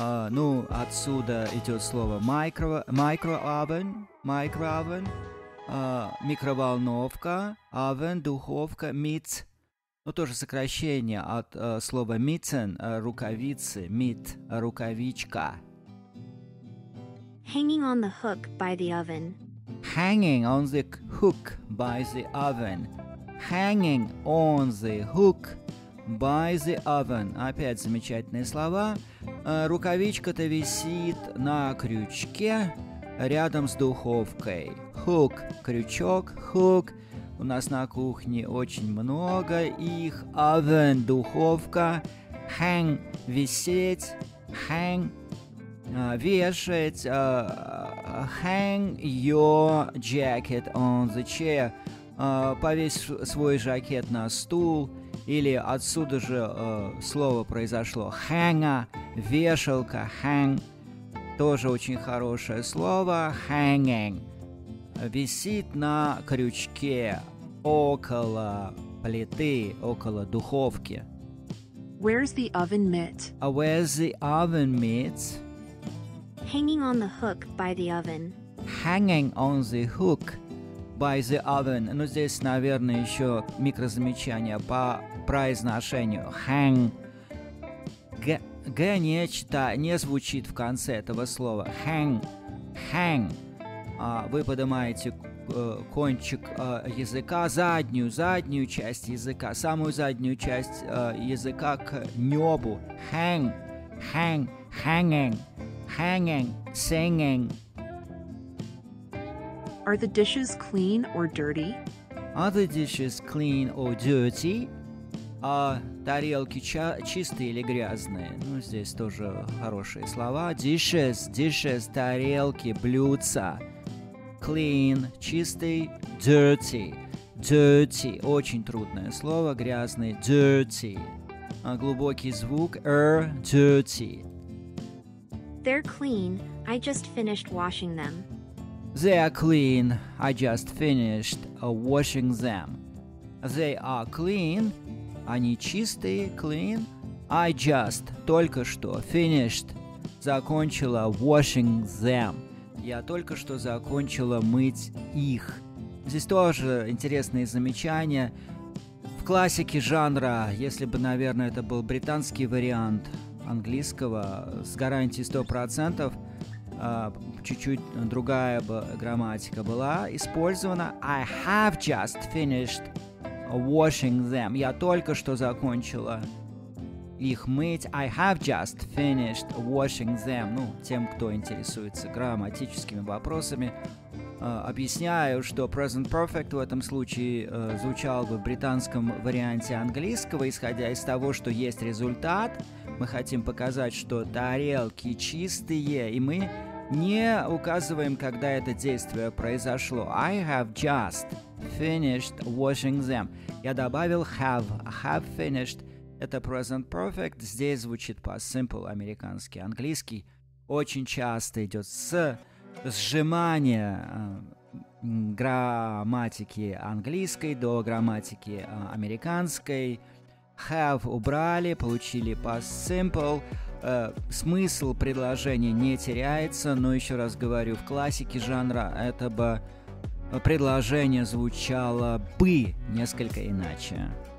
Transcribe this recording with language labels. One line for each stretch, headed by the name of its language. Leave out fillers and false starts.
Russian: Ну, отсюда идет слово microoven, микроволновка, oven, духовка, mitt. Ну, тоже сокращение от слова mitten, рукавицы, mitt, рукавичка.
English: Hanging on the hook by the oven. Hanging on the hook by the oven. Hanging on the hook by the oven.
Russian: Опять замечательные слова. Рукавичка-то висит на крючке рядом с духовкой.
English: Hook – крючок, hook.
Russian: У нас на кухне очень много их. Oven – духовка. Hang – висеть. Hang – вешать.
English: Hang your jacket on the chair.
Russian: Повесь свой жакет на стул. Или отсюда же слово произошло. Hanger, вешалка. Hang, тоже очень хорошее слово. Hanging, висит на крючке около плиты, около духовки.
English: Where's the oven mitt? Where's the oven mitt? Hanging on the hook by the oven. Hanging on the hook by the oven.
Russian: Ну, здесь, наверное, еще микрозамечание по произношению.
English: Hang.
Russian: Не звучит в конце этого слова.
English: Hang. Hang.
Russian: Вы поднимаете кончик языка, заднюю часть языка, самую заднюю часть языка к небу. Hang.
English: hanging, singing. Are the dishes clean or dirty? Are the dishes clean or dirty?
Russian: А тарелки чистые или грязные? Ну, здесь тоже хорошие слова. Dishes, тарелки, блюдца. Clean, чистый. Dirty, очень трудное слово, грязный.
English: Dirty.
Russian: А глубокий звук dirty.
English: They're clean. I just finished washing them. They are clean. I just finished washing them. They are clean.
Russian: Они чистые, clean.
English: I just,
Russian: только что,
English: finished,
Russian: закончила
English: washing them.
Russian: Я только что закончила мыть их. Здесь тоже интересные замечания. В классике жанра, если бы, наверное, это был британский вариант английского, с гарантией 100%, чуть-чуть другая бы грамматика была использована.
English: I have just finished washing them.
Russian: Я только что закончила их мыть.
English: I have just finished washing them.
Russian: Ну, тем, кто интересуется грамматическими вопросами, объясняю, что present perfect в этом случае звучал бы в британском варианте английского, исходя из того, что есть результат. Мы хотим показать, что тарелки чистые, и мы не указываем, когда это действие произошло.
English: I have just finished washing them.
Russian: Я добавил have finished. Это present perfect. Здесь звучит по simple американский. Английский очень часто идет с сжимания грамматики английской до грамматики американской. Have убрали, получили past simple. Смысл предложения не теряется, но еще раз говорю, в классике жанра это бы предложение звучало бы несколько иначе.